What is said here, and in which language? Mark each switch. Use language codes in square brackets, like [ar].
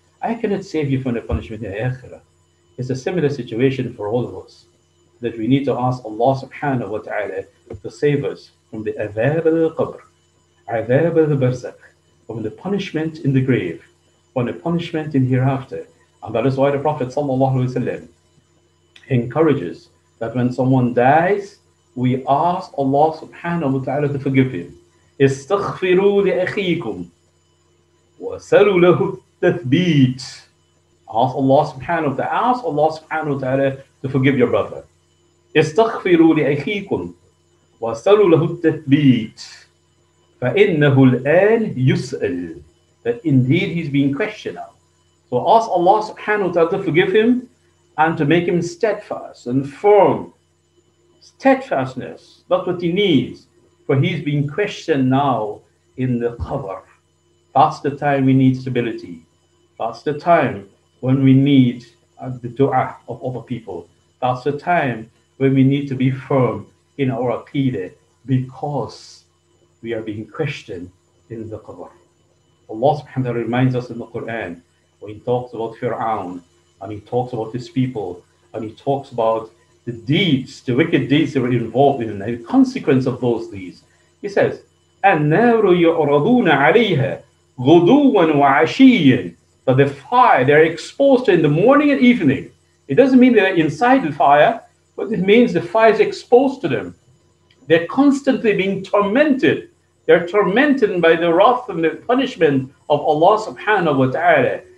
[en] I cannot save you from the punishment in the akhirah. It's a similar situation for all of us, that we need to ask Allah subhanahu wa ta'ala to save us from the azab al-qabr. عذاب البرزخ, from the punishment in the grave, from the punishment in hereafter. And that is why the Prophet ﷺ encourages that when someone dies, we ask Allah subhanahu wa ta'ala to forgive him. [ar] استغفروا لأخيكم وسلوا له التثبيت. [en] Ask Allah subhanahu wa ta'ala to forgive your brother. [ar] استغفروا لأخيكم وسلوا له التثبيت فإنه الآن يسأل. [en] That indeed he's being questioned now. So ask Allah subhanahu wa ta'ala to forgive him and to make him steadfast and firm. Steadfastness, that's what he needs. For he's being questioned now in the qabr. That's the time we need stability. That's the time when we need the dua of other people. That's the time when we need to be firm in our aqidah, because we are being questioned in the qabr. Allah subhanahu wa ta'ala reminds us in the Quran, when he talks about Fir'aun, and he talks about his people, and he talks about the deeds, the wicked deeds they were involved in, and the consequence of those deeds. He says, [ar] النَّارُ يُعْرَضُونَ عَلَيْهَا غُدُوًا وَعَشِيًّا. [en] But the fire, they're exposed to in the morning and evening. It doesn't mean they're inside the fire, but it means the fire is exposed to them. They're constantly being tormented. They're tormented by the wrath and the punishment of Allah subhanahu wa ta'ala.